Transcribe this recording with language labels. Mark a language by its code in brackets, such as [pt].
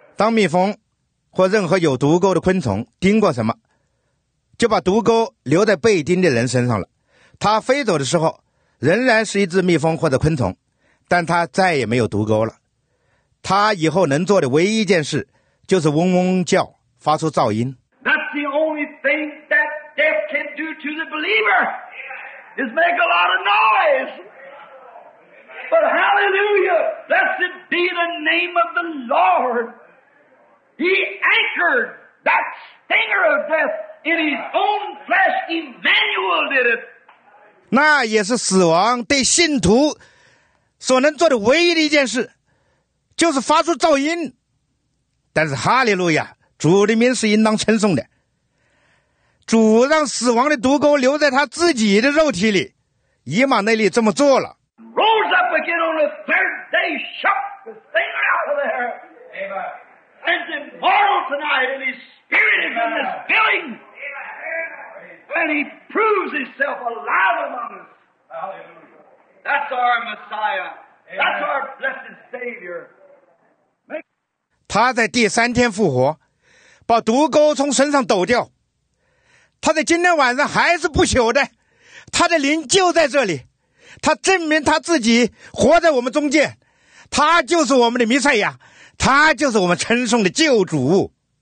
[zh] 当蜜蜂或任何有毒钩的昆虫叮过什么，就把毒钩留在被叮的人身上了。他飞走的时候仍然是一只蜜蜂或者昆虫，但他再也没有毒钩了。他以后能做的唯一一件事就是嗡嗡叫，发出噪音。 [en] That's the only thing that. Death can do to the believer is make a lot of noise. But hallelujah, blessed be the name of the Lord. He anchored that stinger of death in his own flesh. Emmanuel did it. [zh] 那也是死亡对信徒所能做的唯一的一件事，就是发出噪音。但是哈利路亚，主的名是应当称颂的。主让死亡的毒钩留在他自己的肉体里，以马内利这么做了。 [en] rose up again on the third day, shook the thing out of there. Amen. And he's immortal tonight, and his spirit is in this building. Amen. And he proves himself alive among us. Hallelujah. That's our Messiah. Amen. That's our blessed Savior. [zh] 他在第三天复活，把毒钩从身上抖掉，他在今天晚上还是不朽的，他的灵就在这里，他证明他自己活在我们中间，他就是我们的弥赛亚，他就是我们称颂的救主。